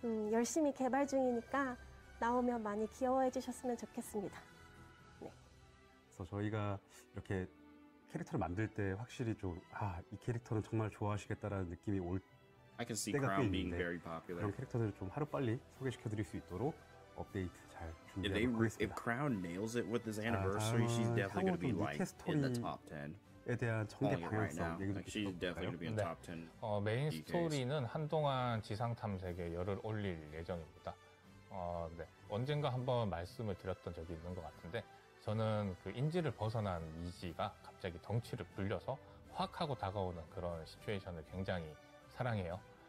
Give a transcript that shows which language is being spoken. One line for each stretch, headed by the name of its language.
Korean: 열심히 개발 중이니까 나오면 많이 귀여워해 주셨으면 좋겠습니다. 네. 그래서 저희가 이렇게 캐릭터를 만들 때 확실히 좀 이 캐릭터는 정말 좋아하시겠다라는 느낌이 올 때가 꽤 있는데 그런 캐릭터들을 좀 하루빨리 소개시켜 드릴 수 있도록 업데이트 잘 준비하고 있습니다.
English: If Crown nails it with this anniversary, she's definitely going to be like in the top 10.
Korean: 에 대한 전개 방향성 얘기도 있었어요. 네. 메인 스토리는 한동안 지상 탐색에 열을 올릴 예정입니다. 네. 언젠가 한번 말씀을 드렸던 적이 있는 것 같은데 저는 그 인지를 벗어난 이지가 갑자기 덩치를 불려서 확 하고 다가오는 그런 시츄에이션을 굉장히 사랑해요.